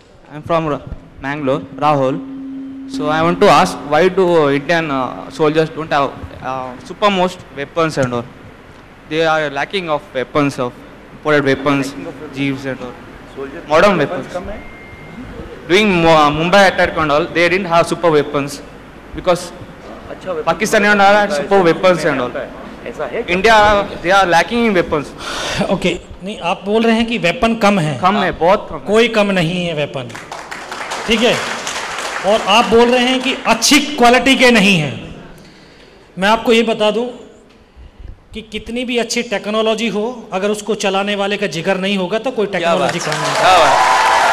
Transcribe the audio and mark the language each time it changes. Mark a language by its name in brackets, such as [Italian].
[English] I am from Mangalore, Rahul. So I want to ask, why do Indian soldiers don't have super most weapons and all? They are lacking of weapons, of imported weapons, जीव्स and all, modern weapons. Doing Mumbai attack and all, they didn't have super weapons because Pakistan and all had super weapons and all. India, they are lacking in weapons. [Hindi] Okay, नहीं आप बोल रहे हैं कि weapon कम है. कम है, बहुत कम. कोई कम नहीं है वेपन, ठीक है. और आप बोल रहे हैं कि अच्छी क्वालिटी के नहीं है. मैं आपको ये बता दूं कि कितनी भी अच्छी टेक्नोलॉजी हो, अगर उसको चलाने वाले का जिगर नहीं होगा तो कोई टेक्नोलॉजी कम नहीं.